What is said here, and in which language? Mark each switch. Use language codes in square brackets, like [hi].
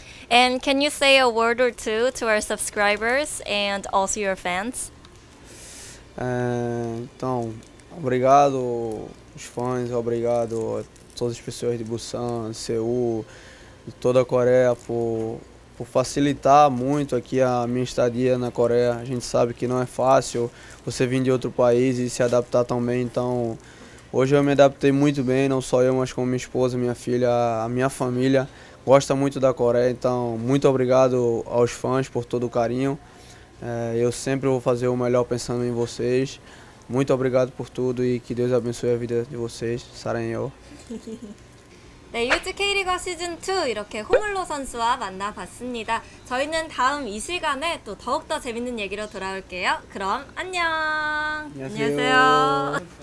[en] And can you say a word or two to our subscribers and also your fans? [pt] Então, obrigado os fãs, obrigado a todas as pessoas de Busan, Seul, de toda a Coreia por facilitar muito aqui a minha estadia na Coreia. A gente sabe que não é fácil você vir de outro país e se adaptar tão bem. Então, hoje eu me adaptei muito bem, não só eu, mas com minha esposa, minha filha, a minha família. Gosta muito da Coreia, então muito obrigado aos fãs por todo o carinho. Eu sempre vou fazer o melhor pensando em vocês. Muito obrigado por tudo e que Deus abençoe a vida de vocês. [ko] Saranyo. 네, 유즈 K리거 시즌 2 이렇게 호물로 선수와 만나봤습니다. 저희는 다음 이 시간에 또 더욱더 재밌는 얘기로 돌아올게요. 그럼 안녕! 안녕하세요.